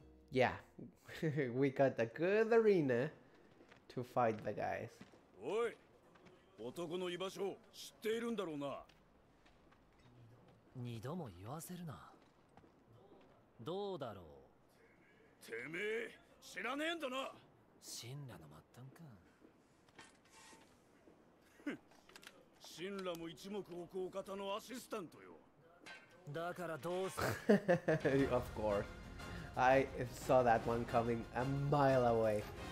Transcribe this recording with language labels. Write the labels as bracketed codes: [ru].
[en] Yeah, we got a good arena to fight the guys. [ja] Oi, 男の居場所知っているんだろうな。二度も言わせるな。どうだろう。てめえ知らねえんだな。神羅の末端か。神羅も一目置くお方のアシスタントよ。だからどうする。 [en] Of course. I saw that one coming a mile away.